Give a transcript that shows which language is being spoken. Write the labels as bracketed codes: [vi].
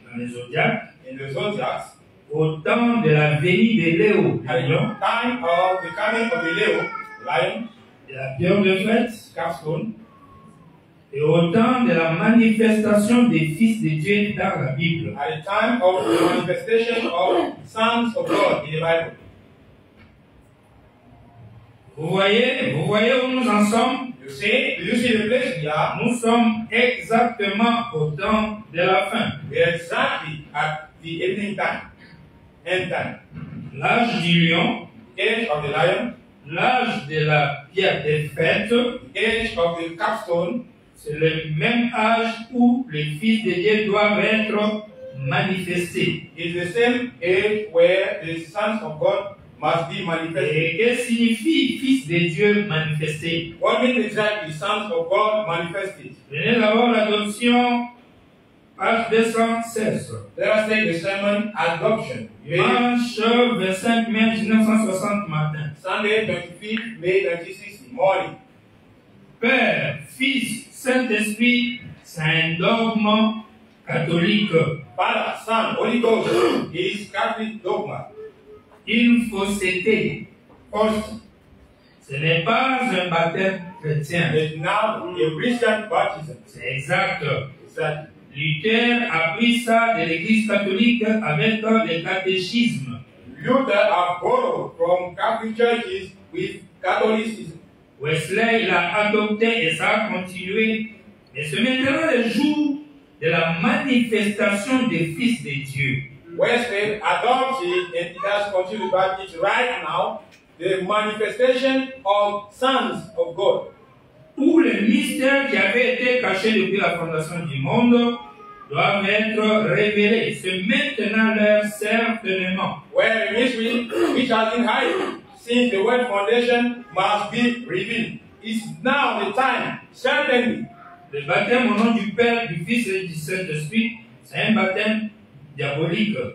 [fr] Dans les zodiacs. [en] In the zodiacs. [fr] Au temps de la venue de Léo. [en] Lion. Time of the coming of the Leo. Lion. [fr] De la pierre de fête. [en] Capstone. [fr] Et au temps de la manifestation des fils de Dieu dans la Bible. [en] At the time of the manifestation of sons of God in the Bible. [fr] Vous voyez où nous en sommes? [en] You see the place we are. [fr] Nous sommes exactement au temps de la fin. [en] We are exactly at the ending time. End time. [fr] L'âge du lion. [en] Age of the lion. [fr] L'âge de la pierre des fêtes. [en] Age of the capstone. [fr] C'est le même âge où les fils de Dieu doivent être manifestés. [en] It's the same age where the sons of God must be manifested. [fr] Et que signifie fils de Dieu manifesté? [en] What means exactly sons of God manifested? [fr] Venez d'abord l'adoption, page 216. [en] Let us take the sermon adoption. [fr] Dimanche 25 mai 1960 matin. [en] Sunday 25 May 1960 morning. [fr] Père, fils, Saint-Esprit, c'est un dogme catholique. [en] Father, Son, Holy Ghost is Catholic dogma. [fr] Une fausseté. [en] False. [fr] Ce n'est pas un baptême chrétien. [en] It's not a Christian baptism. [fr] C'est exact. [en] Exactly. [fr] Luther a pris ça de l'Église catholique avec le catéchisme. [en] Luther a borrowed from Catholic churches with Catholicism. [fr] Wesley l'a adopté et ça a continué. Et ce maintenant le jour de la manifestation des fils de Dieu. [en] Wesley adopted and it has continued but it's right now the manifestation of sons of God. [fr] Tous les mystères qui avaient été cachés depuis la fondation du monde doivent être révélés. C'est maintenant l'heure certainement. [en] Where the mystery which has been hidden since the world foundation must be revealed. It's now the time, certainly. [fr] Le baptême au nom du Père, du Fils et du Saint-Esprit, c'est un baptême diabolique.